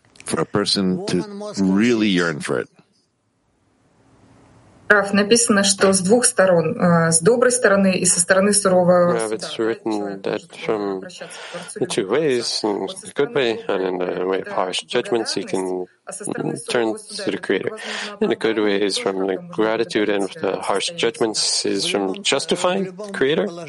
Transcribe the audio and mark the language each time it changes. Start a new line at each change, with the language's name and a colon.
English: For a person to really yearn for it.
Russian: Раф, написано, что с двух сторон, с доброй стороны и со стороны сурового суда.
English: It's written that from two ways, in a good way and in a way of harsh judgments, he can turn to the Creator. In a good way is from the gratitude, and the harsh judgments is from justifying the Creator.